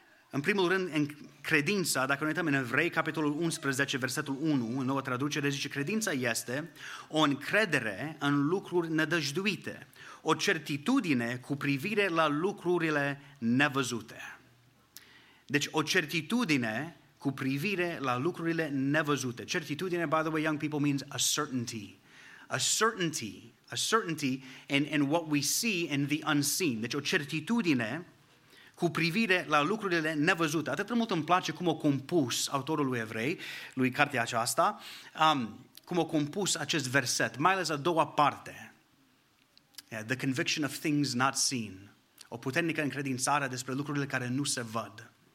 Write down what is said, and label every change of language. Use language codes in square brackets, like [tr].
[ro] În primul rând, în credința, dacă ne uităm în Evrei, capitolul 11, versetul 1, în noua traducere, zice: credința este o încredere în lucruri nădăjduite, o certitudine cu privire la lucrurile nevăzute. Deci o certitudine cu privire la lucrurile nevăzute. [en] Certitudine, by the way, young people, means a certainty. A certainty. A certainty in what we see in the unseen. [ro] Deci o certitudine cu privire la lucrurile nevăzute. Atât de mult îmi place cum a compus autorul lui Evrei, lui cartea aceasta, cum a compus acest verset, mai ales a doua parte. [en] Yeah, the conviction of things not seen. [ro] O puternică încredințare despre lucrurile care nu se văd.